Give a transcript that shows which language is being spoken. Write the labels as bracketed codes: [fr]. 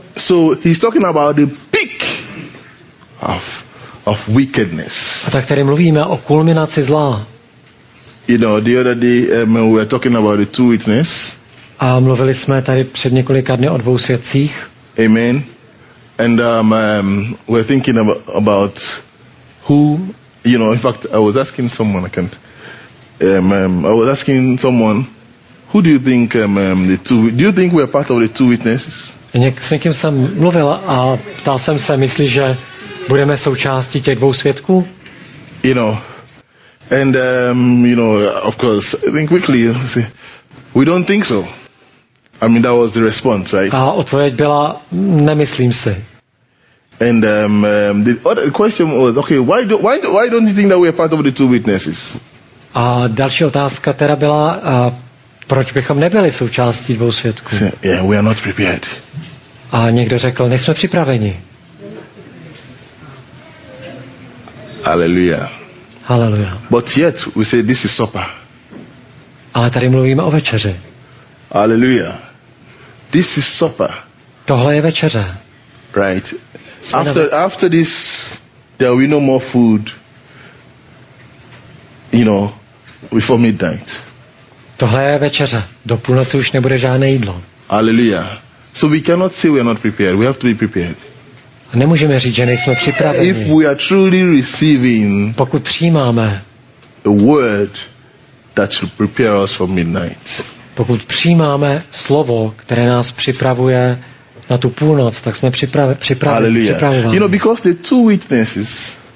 [en] So he's talking about the peak of wickedness. [cs] A tak tady mluvíme o kulminaci zla. [en] You know, the other day we were talking about the two witnesses. [cs] A mluvili jsme tady před několika dny o dvou svědcích. [en] Amen. And we're thinking about who, you know, in fact I was asking someone who do you think the two? Do you think we are part of the two witnesses? [cs] S někým jsem mluvil a ptal jsem se, myslíš, že budeme součástí těch dvou svědků? [en] You know, and you know, of course, I think quickly, see, we don't think so. I mean, that was the response, right? [cs] A odpověď byla, nemyslím si. [en] And the other question was, okay, why don't you think that we are part of the two witnesses? [cs] A další otázka teda byla. Proč bychom nebyli součástí dvou svědků? [en] Yeah, we are not prepared. [cs] A někdo řekl, nejsme připraveni. [en] Hallelujah. Hallelujah. But yet we say this is supper. [cs] Ale tady mluvíme o večeři. [en] Hallelujah. This is supper. [cs] Tohle je večeře. [en] Right. After this there will be no more food. You know, before midnight. [cs] Tohle je večeře. Do půlnoci už nebude žádné jídlo. Alleluja. [en] So we cannot say we are not prepared. We have to be prepared. [cs] A nemůžeme říct, že nejsme připraveni. [en] If we are truly receiving, [cs] pokud přijímáme [en] the word that should prepare us for midnight. [cs] Pokud přijímáme slovo, které nás připravuje na tu půlnoc, tak jsme připraveni. [en] You know, because the two witnesses.